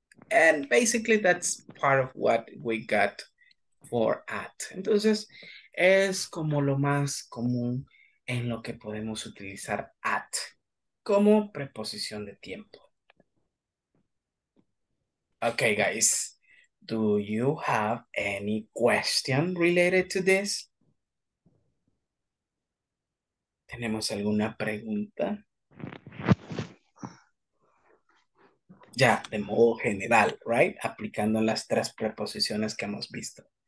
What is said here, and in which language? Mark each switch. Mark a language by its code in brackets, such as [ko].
[en] And basically that's part of what we got for at. [es] Entonces, es como lo más común en lo que podemos utilizar at como preposición de tiempo. [en] Okay, guys, do you have any question related to this? [es] ¿Tenemos alguna pregunta? Ya, de modo general, right? Aplicando las tres preposiciones que hemos visto.